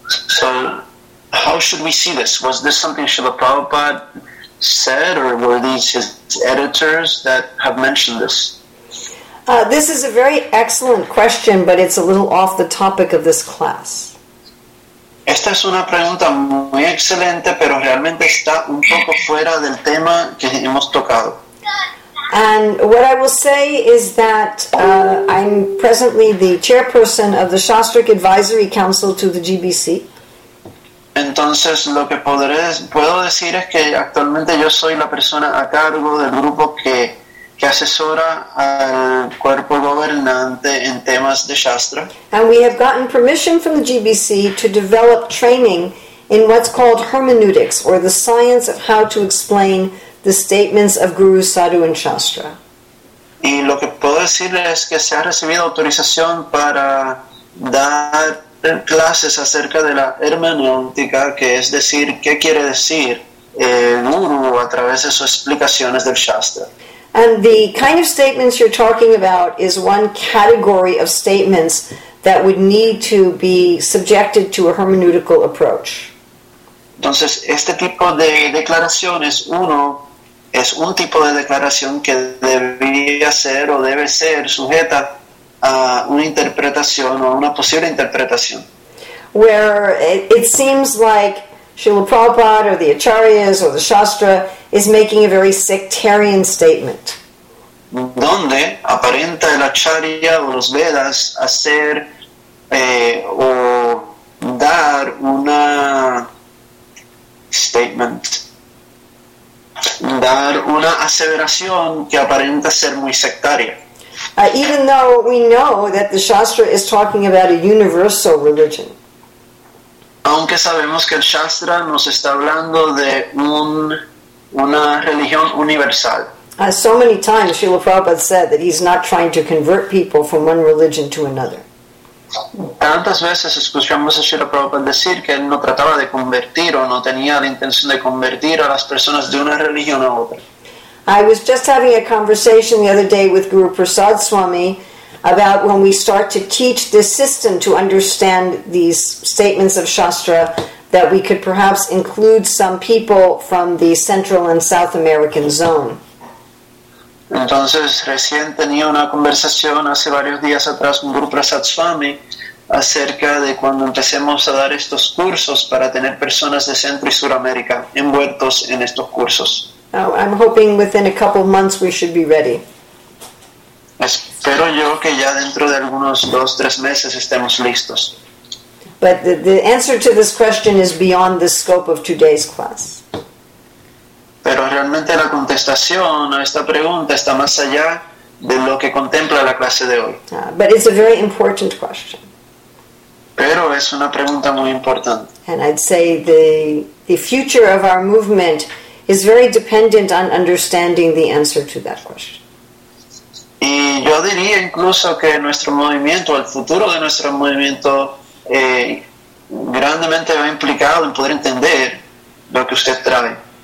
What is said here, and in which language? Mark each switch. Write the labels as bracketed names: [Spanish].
[English] So how should we see this? Was this something Srila Prabhupada said, or were these his editors that have mentioned this? This is a very excellent question, but it's a little off the topic of this class. [Spanish] Esta es una pregunta muy excelente, pero realmente está un poco fuera del tema que hemos tocado. [English] And what I will say is that I'm presently the chairperson of the Shastric Advisory Council to the GBC. [Spanish] Entonces, lo que puedo decir es que actualmente yo soy la persona a cargo del grupo que asesora al cuerpo gobernante en temas de Shastra. [English] And we have gotten permission from the GBC to develop training in what's called hermeneutics, or the science of how to explain the statements of Guru, Sadhu, and Shastra. [Spanish] Y lo que puedo decirles es que se ha recibido autorización para dar clases acerca de la hermenéutica, que es decir, qué quiere decir el Guru a través de sus explicaciones del Shastra. [English] And the kind of statements you're talking about is one category of statements that would need to be subjected to a hermeneutical approach. [Spanish] Entonces, este tipo de declaración es un tipo de declaración que debería ser o debe ser sujeta a una interpretación o a una posible interpretación. [English] Where it seems like Srila Prabhupada or the Acharyas or the Shastra is making a very sectarian statement. [Spanish] Donde aparenta el Acharya o los Vedas hacer o dar una statement, dar una aseveración que aparenta ser muy sectaria. [English] Even though we know that the Shastra is talking about a universal religion. [Spanish] Aunque sabemos que el Shastra nos está hablando de una religión universal. [English] So many times Srila Prabhupada said that he's not trying to convert people from one religion to another. [Spanish] Tantas veces escuchamos a Srila Prabhupada decir que él no trataba de convertir o no tenía la intención de convertir a las personas de una religión a otra. [English] I was just having a conversation the other day with Guru Prasad Swami about when we start to teach this system to understand these statements of Shastra, that we could perhaps include some people from the Central and South American zone. [Spanish] Entonces, recién tenía una conversación hace varios días atrás con Guru Prasad Swami acerca de cuando empecemos a dar estos cursos para tener personas de Centro y Suramérica envueltos en estos cursos. [English] Oh, I'm hoping within a couple of months we should be ready. [Spanish] Espero yo que ya dentro de algunos 2-3 meses estemos listos. [English] But the answer to this question is beyond the scope of today's class. [Spanish] Pero realmente la contestación a esta pregunta está más allá de lo que contempla la clase de hoy. [English] But it's a very important question. [Spanish] Pero es una pregunta muy importante. [English] And I'd say the future of our movement is very dependent on understanding the answer to that question. [Spanish] Y yo diría incluso que nuestro movimiento, el futuro de nuestro movimiento, grandemente va implicado en poder entender lo que usted trae.